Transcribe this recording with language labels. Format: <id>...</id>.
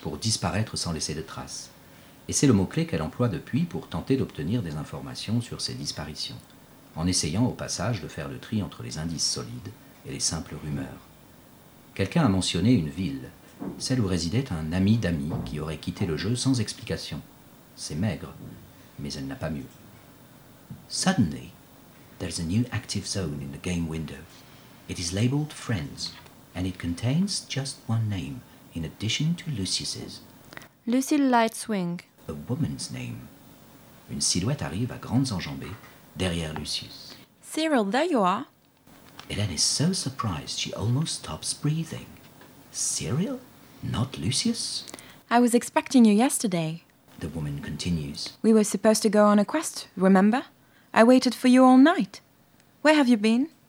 <fr>pour disparaître sans laisser de traces. Et c'est le mot-clé qu'elle emploie depuis pour tenter d'obtenir des informations sur ses disparitions, en essayant au passage de faire le tri entre les indices solides et les simples rumeurs. Quelqu'un a mentionné une ville, celle où résidait un ami d'amis qui aurait quitté le jeu sans explication. C'est maigre, mais elle n'a pas mieux.</fr> <en>Suddenly, there's a new active zone in the game window. It is labeled Friends, and it contains just one name in addition to Lucius's. Lucy Lightswing. A woman's name.</en> <fr>Une silhouette arrive à grandes enjambées derrière Lucius.</fr> <en>Cyril, there you are. Hélène is so surprised she almost stops breathing. Cyril? Not Lucius? I was expecting you yesterday. The woman continues. We were supposed to go on a quest, remember? I waited for you all night. Where have you been?</en>